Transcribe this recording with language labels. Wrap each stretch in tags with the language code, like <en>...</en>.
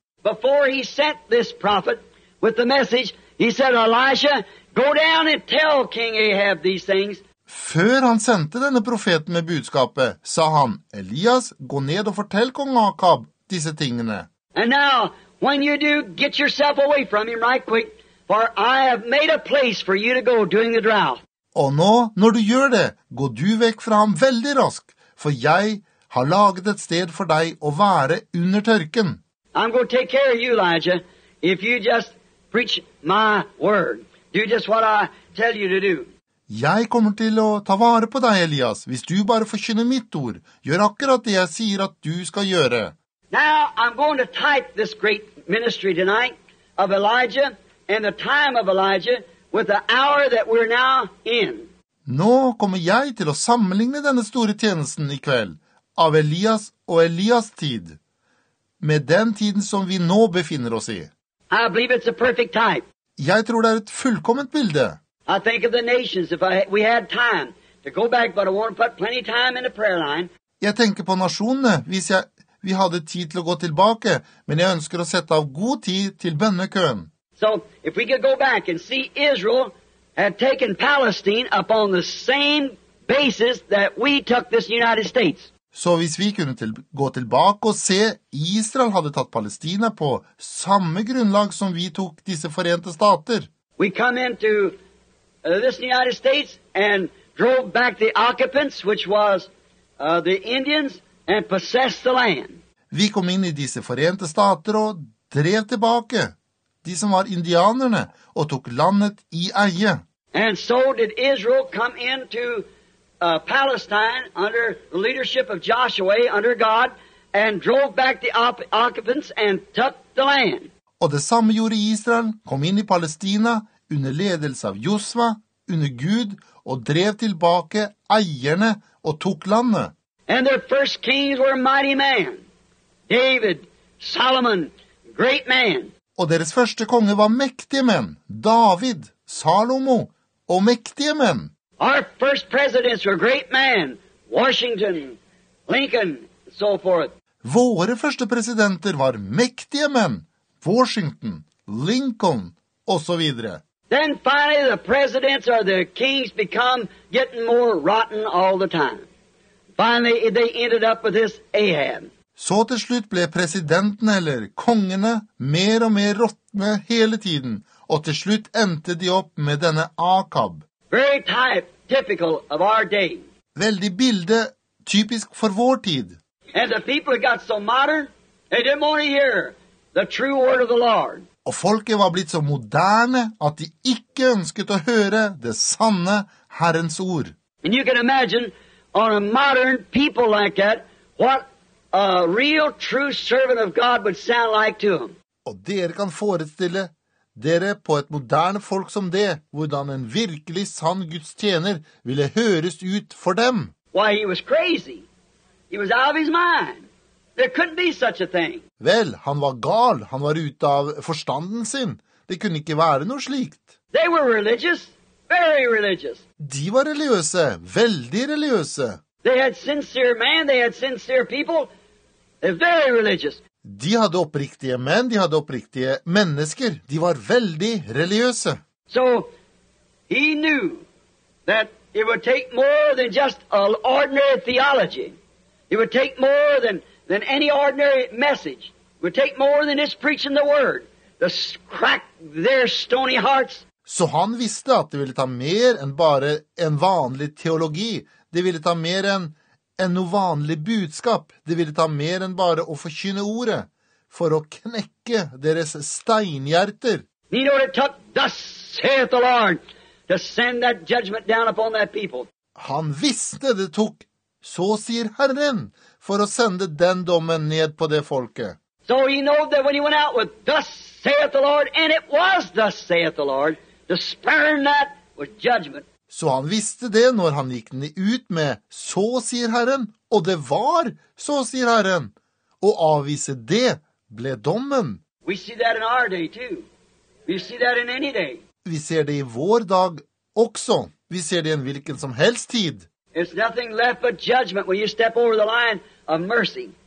<en>Before he sent this prophet with the message, he said, Elisha, go down and tell King Ahab these things.</en> <no>Før han sendte denne profeten med budskapet, sa han, Elias, gå ned og fortell kong Akab disse tingene.</no> <en>And now, when you do, get yourself away from him right quick, for I have made a place for you to go during the drought.</en> <no>Og nå, når du gjør det, går du vekk fra ham veldig rask, for jeg har laget et sted for deg å være under tørken.</no> <en>I'm going to take care of you, Elijah, if you just preach my word. Do just what I tell you to do.</en> <no>Jeg kommer til å ta vare på deg, Elias, hvis du bare forkynner mitt ord. Gjør akkurat det jeg sier at du skal gjøre.</no> <en>Now I'm going to type this great ministry tonight of Elijah and the time of Elijah with the hour that we're now in.</en> <no>Nå kommer jeg til å sammenligne denne store tjenesten i kveld av Elias og Elias tid med den tiden som vi nå befinner oss i.</no> <en>I believe it's a perfect type.</en> <no>Jeg tror det et fullkomment bilde.</no> <en>I think of the nations if we had time to go back, but I want to put plenty of time in the prayer line.</en> <no>Jeg tenker på nasjonene hvis jeg, vi hadde tid til å gå tilbake, men jeg ønsker å sette av god tid til bønnekøen.</no> <en>So if we could go back and see Israel had taken Palestine up on the same basis that we took this United States.</en> <no>Så hvis vi kunne gå tilbake og se Israel hadde tatt Palestina på samme grunnlag som vi tok disse forente stater.</no> <en>We come into this United States and drove back the occupants, which was the Indians, and possessed the land.</en> <no>Vi kom inn i disse forente stater og drev tilbake de som var indianerne og tok landet i eie.</no> <en>And so did Israel come into Palestine under the leadership of Joshua, under God, and drove back the occupants and took the land.</en> <no>Og det samme gjorde Israel, kom inn i Palestina under ledelse av Josua, under Gud, og drev tilbake eierne og tok landet.</no> <en>And their first kings were mighty men. David, Solomon, great man.</en> <no>Og deres første konge var mektige menn. David, Salomo, og mektige menn.</no> <en>Our first presidents were great men. Washington, Lincoln, and so forth.</en> <no>Våre første presidenter var mektige menn. Washington, Lincoln, og så videre.</no> <en>Then finally the presidents or the kings become getting more rotten all the time. Finally they ended up with this Ahab.</en> <no>Så til slutt ble presidentene eller kongene mer og mer råtne hele tiden, og til slutt endte de opp med denne Akab.</no> <en>Very type, typical of our day.</en> <no>Veldig bilde, typisk for vår tid.</no> <en>And the people got so modern, they didn't want to hear the true word of the Lord.</en> <no>Og folket var blitt så moderne at de ikke ønsket å høre det sanne Herrens ord.</no> <en>And you can imagine on a modern people like that, what a real true servant of God would sound like to them.</en> <no>Og dere kan forestille dere på et moderne folk som det, hvordan en virkelig sann Guds tjener ville høres ut for dem.</no> <en>Why, he was crazy. He was out of his mind. There couldn't be such a thing.</en> <no>Vel, han var gal. Han var ute av forstanden sin. Det kunne ikke være noe slikt.</no> <en>They were religious. Very religious.</en> <no>De var religiøse. Veldig religiøse.</no> <en>They had sincere men. They had sincere people. They're very religious.</en> <no>De hadde oppriktige menn. De hadde oppriktige mennesker. De var veldig religiøse.</no> <en>So, he knew that it would take more than just an ordinary theology. It would take more than any ordinary message. It would take more than just preaching the word to crack their stony hearts.</en> <no>Så han visste at det ville ta mer enn bare en vanlig teologi. Det ville ta mer enn noe vanlig budskap. Det ville ta mer enn bare å forkynne ordet for å knekke deres steinhjerter.</no> <en>You know, it took, thus saith the Lord, to send that judgment down upon that people.</en> <no>Han visste det tok, så sier Herren, for å sende den dommen ned på det folket.</no> <en>So he knew that when he went out with, thus saith the Lord, and it was thus saith the Lord, to spurn that with judgment.</en> <no>Så han visste det når han gikk ut med, så sier Herren, og det var, så sier Herren. Og avvise det ble dommen.</no> <en>We see that in our day too. We see that in any day.</en> <no>Vi ser det i vår dag også. Vi ser det i en hvilken som helst tid.</no> <en>It's nothing left but judgment when you step over the line of mercy.</en>